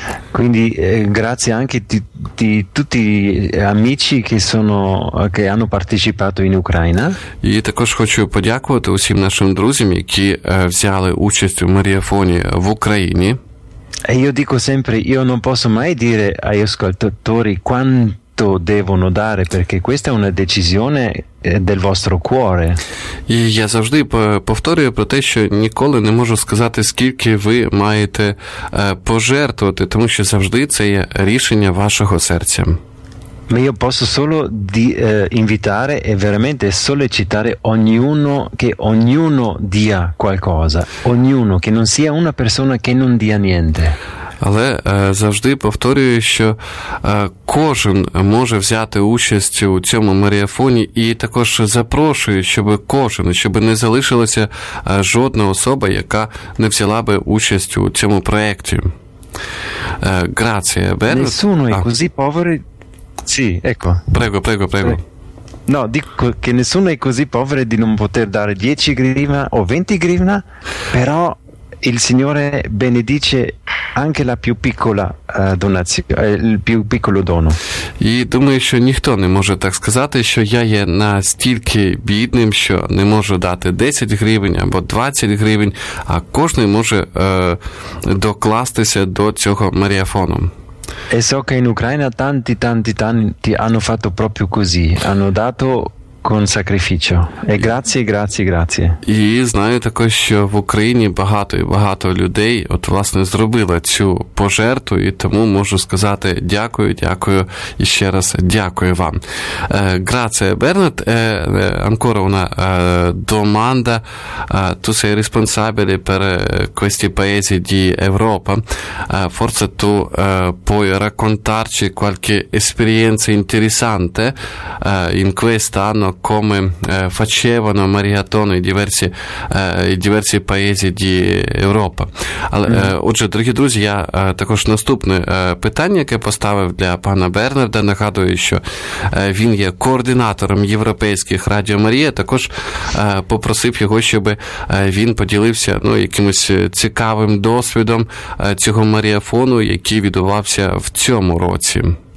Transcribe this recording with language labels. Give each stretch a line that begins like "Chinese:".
Italian: Quindi grazie anche di tutti gli amici che hanno partecipato in Ucraina.
Ukrainian: І також хочу подякувати усім нашим друзям, які взяли участь у маріафоні в Україні.
Italian: E io dico sempre, io non posso mai dire agli ascoltatori quanto devono dare, perché questa è una decisione del vostro cuore.
Ukrainian: І я завжди повторюю про те, що ніколи не можу сказати, скільки ви маєте пожертвувати, тому що завжди це є рішення вашого серця.
Italian: Ma io posso solo invitare e veramente sollecitare ognuno, che ognuno dia qualcosa, ognuno, che non sia una persona che non dia niente.
Ukrainian: Але завжди повторюю, що кожен може взяти участь у цьому маріафоні і також запрошую, щоб кожен, щоб не залишилася жодна особа, яка не взяла би участь у цьому проєкті.
Italian: Grazie, Bernard. Nessuno è così povero. Sì, ecco. Prego, prego, prego. No, dico che nessuno è così povero di non poter dare 10 grivna o 20 grivna, però il Signore benedice anche la più piccola donazione, il più piccolo dono.
Ukrainian: І думаю, що ніхто не може так сказати, що я є настільки бідним, що не можу дати 10 гривень або 20 гривень, а кожен може докластися до цього маріафону.
Italian: E so che in Ucraina tanti, tanti, tanti hanno fatto proprio così, hanno dato con sacrificio. E grazie, grazie, grazie.
Ukrainian: І знаю також, що в Україні багато і багато людей от власне зробили цю пожертву, і тому можу сказати дякую, дякую і ще раз дякую вам.
Italian: Grazie Bernard, ancora una domanda. Tu sei responsabile per questi paesi di Europa. Forse tu puoi raccontarci qualche esperienza interessante in quest'anno, come facevano Maratona diversi paesi di Europa.
Ukrainian: Але, отже, дорогі друзі, я також наступне питання, яке поставив для пана Бернарда, нагадую, що він є координатором європейських Радіо Марія, також попросив його, щоб він поділився якимось цікавим досвідом цього Маріафону, який відбувався в цьому році.